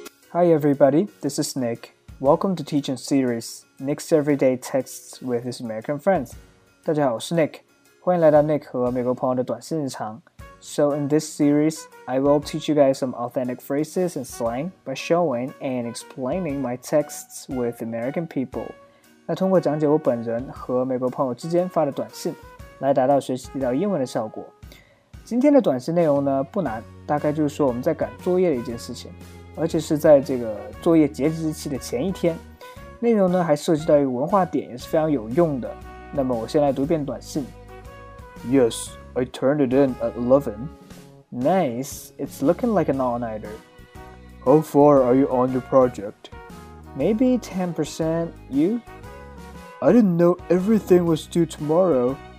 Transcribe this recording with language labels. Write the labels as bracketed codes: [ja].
[en] Hi everybody, this is Nick. Welcome to Teaching Series, Nick's Everyday Texts with his American Friends. [zh] 大家好，我是 Nick， 欢迎来到 Nick 和美国朋友的短信日常。 [en] So in this series, I will teach you guys some authentic phrases and slang by showing and explaining my texts with American people. [zh] 那通过讲解我本人和美国朋友之间发的短信，来达到学习地道英文的效果。今天的短信内容呢不难，大概就是说我们在赶作业的一件事情，而且是在这个作业截止日期的前一天。内容呢还涉及到一个文化点，也是非常有用的。那么我先来读一遍短信。 [en] Yes, I turned it in at 11. Nice, it's looking like an all-nighter. How far are you on your project? Maybe 10%, you? I didn't know everything was due tomorrow.